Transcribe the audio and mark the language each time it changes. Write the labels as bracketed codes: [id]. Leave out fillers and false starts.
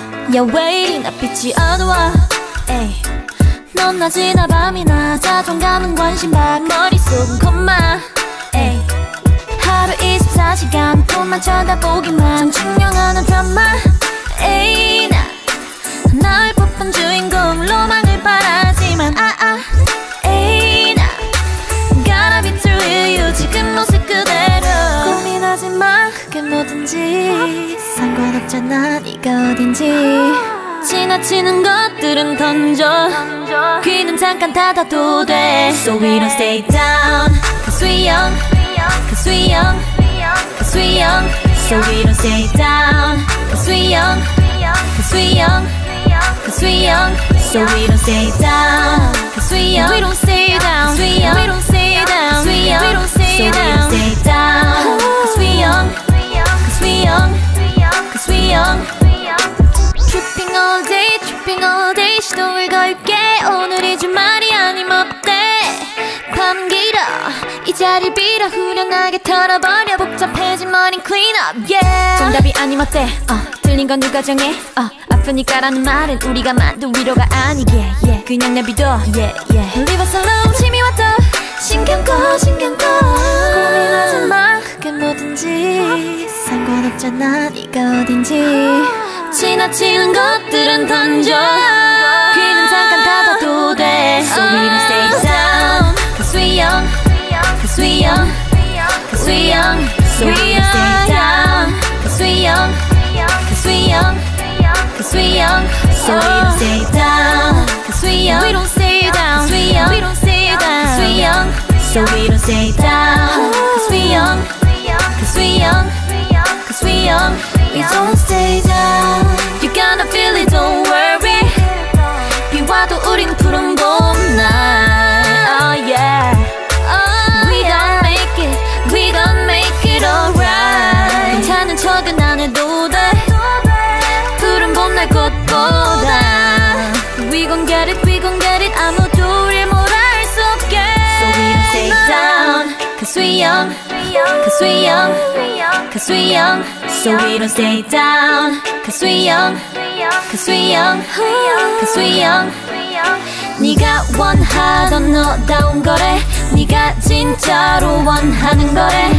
[en] You're waiting, [ko] 빛이 어두워. 에이, 넌 낮이나 밤이나 자존감은 관심 밖, 머릿속은 콤마. 에이, 하루 24시간 폰만 쳐다보기만. 청량한 드라마. 에이, 나 나을 뽑은 주인공 로망을 바라지만. 아, 아. 에이, 나 [en] gotta be true to you [ko] 지금 모습 그대로. 고민하지 마, 그게 뭐든지. 상관없잖아 네가 어딘지. 지나치는 것들은 던져, 귀는 잠깐 닫아도 돼. [en] So we don't stay down, 'cause we young, 'cause we young, 'cause we young. So we don't stay down, 'cause we young, 'cause we young, 'cause we young. So we don't stay down, 'cause we young. We don't stay down, 'cause we young. We don't stay down, 'cause we young. We don't stay down, 'cause we young. We young, 'cause we young. Tripping all day, tripping all day. [ko] 시동을 걸게. 오늘이 주말이 아님 어때? 밤 길어 이 자리 빌어. 후련하게 털어버려. 복잡해진 머린 [en] clean up, yeah. [ko] 정답이 아님 어때? 틀린 건 누가 정해? 아프니까라는 말은 우리가 만든 위로가 아니게. [en] Yeah. [ko] 그냥 내비둬. [en] Yeah, yeah. Leave us alone. [ko] 침이 왔다. 신경 꺼, 신경 꺼. 고민하지 마, 그게 뭐든지. 상관없잖아 네가 어딘지. 지나치는 것들은 던져, 귀는 잠깐 닫아도 돼. [en] So we don't stay down, 'cause we young, 'cause we young, 'cause we young. So we don't stay down, 'cause we young, 'cause we young, 'cause we young. So we don't stay down, 'cause we young. We don't stay down, 'cause we young, we don't stay down, 'cause we young. So we don't stay down, 'cause we young, 'cause we young. We young, we don't stay down. You gonna feel it, don't worry. [ko] 비 와도 우린 푸른 봄날. Oh yeah, oh, [en] we yeah. gon' make it, we gon' make it alright. [ko] 괜찮은 척은 안 해도 돼. 푸른 봄날 꽃보다. [en] We gon' get it, we gon' get it. [ko] 아무도 우릴 뭘 알 수 없게. [en] So we don't stay down, 'cause we young, 'cause we young, 'cause we young. So we don't stay down, 'cause we young, 'cause we young, 'cause we young. [ko] 네가 원하던 너다운 거래. 네가 진짜로 원하는 거래.